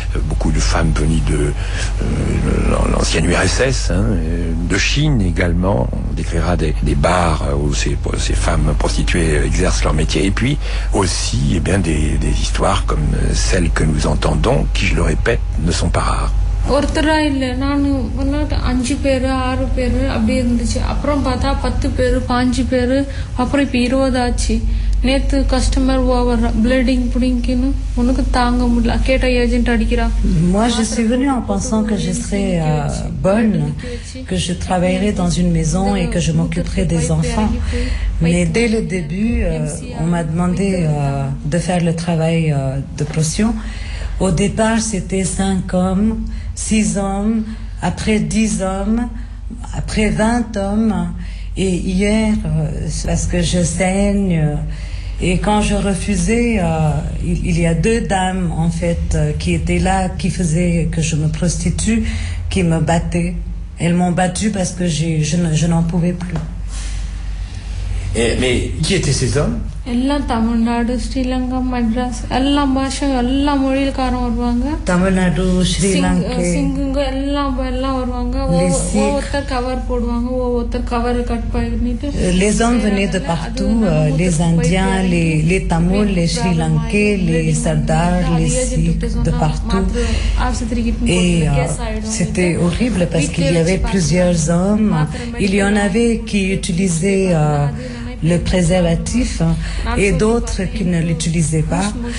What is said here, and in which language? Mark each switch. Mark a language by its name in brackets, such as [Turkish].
[French] Beaucoup de femmes venues de l'ancienne URSS, de Chine également. On décrira des bars où ces femmes prostituées exercent leur métier. Et puis aussi, eh bien, des histoires comme celles que nous entendons, qui, je le répète, ne sont pas rares. [Tamil] ஒருத்தரா இல்லை நான் நாட்டு அஞ்சு பேர் ஆறு பேர் அப்படி இருந்துச்சு. அப்புறம் பார்த்தா 10 பேர் 15 பேர் அப்புறம் இப்போ 20 ஆச்சு. நேற்று கஸ்டமர் ஓவர் பிளீடிங் புடிங்கின்னு உனக்கு தாங்க முடியல. கேட்டா ஏஜென்ட் அடிக்கிறா. [French] Moi je suis venue en pensant que je serais bonne, que je travaillerai dans une maison et que je m'occuperai des enfants. Mais dès le début, on m'a demandé de faire le travail de potion. Au départ, c'était 5 hommes, 6 hommes, après 10 hommes, après 20 hommes. Et hier, parce que je saigne, et quand je refusais, il y a deux dames, en fait, qui étaient là, qui faisaient que je me prostitue, qui me battaient. Elles m'ont battue parce que je n'en pouvais plus. Et, mais qui étaient ces hommes? [Tamil] எல்லாம் தமிழ்நாடு ஸ்ரீலங்கா மெட்ராஸ் எல்லா பாஷும் எல்லா மொழியில்காரும் வருவாங்க. தமிழ்நாடு ஸ்ரீலங்கா சிங்குங்க எல்லாம் வருவாங்க. ஒவ்வொருத்தர் cover போடுவாங்க, ஒவ்வொருத்தர் cover cut பண்ணிட்டு. [French] Les hommes venaient de partout, les Indiens, les Tamouls, les Sri Lankais, les Sardars, les Sikhs, de partout. Et c'était horrible parce qu'il y avait plusieurs hommes. Il y en avait qui utilisaient le préservatif et d'autres qui ne l'utilisaient pas.